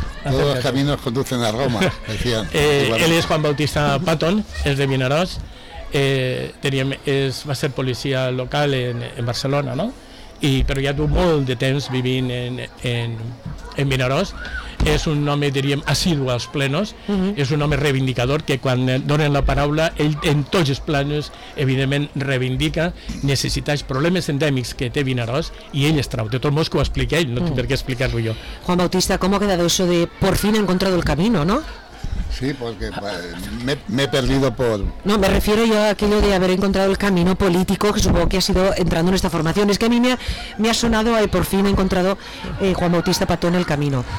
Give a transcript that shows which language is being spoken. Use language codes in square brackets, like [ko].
[es] Todos los caminos conducen a Roma, decían. Él es Juan Bautista Patton, es de Vinaròs, va a ser policía local en Barcelona, ¿no? Pero ya tuvo un [ca] de temps vivint en Vinaròs. És un home, diríem, assidu als plenos, és un home reivindicador que quan donen la paraula, ell en tots els plenos, evidentment, reivindica necessitats, problemes endèmics que té Vinaròs, i ell es trau. De tot modo, que ho explica ell, no tinc per què explicar-ho jo. [es] Juan Bautista, ¿cómo ha quedado eso de por fin he encontrado el camino, no? Sí, porque me he perdido por... No, me refiero yo a aquello de haber encontrado el camino político, que supongo que ha sido entrando en esta formación. Es que a mí me ha sonado, por fin he encontrado Juan Bautista Patón el camino.